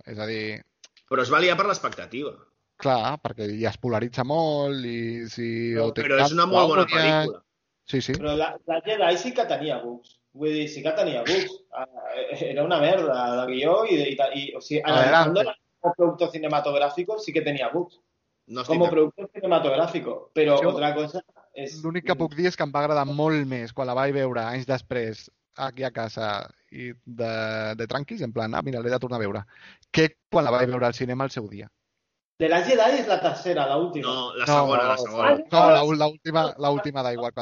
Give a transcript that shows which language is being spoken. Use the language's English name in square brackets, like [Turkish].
[Catalan] És a dir... Però es va liar per l'expectativa. Clar, perquè ja es polaritza molt i si... No, però és una molt bona pel·lícula. Sí, sí. Però la Jedi sí que tenia bugs. Vull dir, sí que tenia bugs. Era una merda, la guió i o sigui, analitzant-la... [Spanish] Como producto cinematográfico sí que tenía bugs. No como bien. Producto cinematográfico. Pero yo, otra cosa es... [Catalan] L'únic que puc dir és que em va agradar molt més quan la vaig veure anys després aquí a casa i de tranquis, en plan, ah, mira, l'he de tornar a veure, que quan la vaig veure al cinema el seu dia. De la Jedi és la tercera, l'última. No, la segona. No, l'última d'igual.